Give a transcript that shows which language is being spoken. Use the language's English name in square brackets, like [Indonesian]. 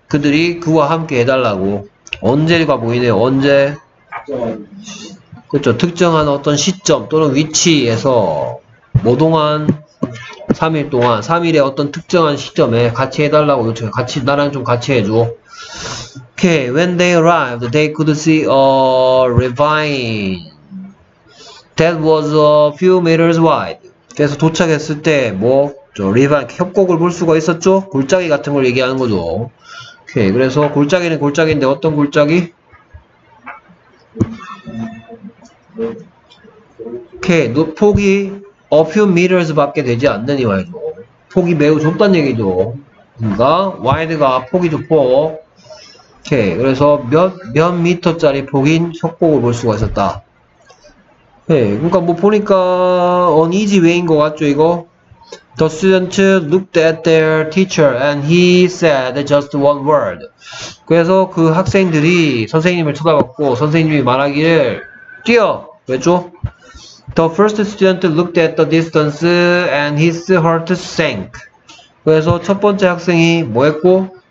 [Korean] 그들이 그와 함께 해달라고. 언제가 보이네요. 언제? 그렇죠. 특정한 어떤 시점 또는 위치에서 뭐 동안? 3일 동안. 3일에 어떤 특정한 시점에 같이 해달라고 요청해. 같이, 나랑 좀 같이 해줘. 오케이. [English] When they arrived, they could see a ravine that was a few meters wide. [Korean] 그래서 도착했을 때, 뭐, 저, 리반, 협곡을 볼 수가 있었죠? 골짜기 같은 걸 얘기하는 거죠. 오케이. 그래서, 골짜기는 골짜기인데, 어떤 골짜기? 오케이. 폭이, [English] a few meters [Korean] 밖에 되지 않는 이말이죠. 폭이 매우 좁단 얘기죠. 그러니까, wide가 폭이 좁고, 오케이. 그래서, 몇 미터짜리 폭인 협곡을 볼 수가 있었다. 네, 그러니까 뭐 보니까 [English] on easy way [Korean] 인 것 같죠, 이거? [English] The student looked at their teacher and he said just one word. [Korean] 그래서 그 학생들이 선생님을 쳐다봤고 선생님이 말하기를 뛰어! 그랬죠? [English] The first student looked at the distance and his heart sank. [Korean] 그래서 첫 번째 학생이 뭐 했고?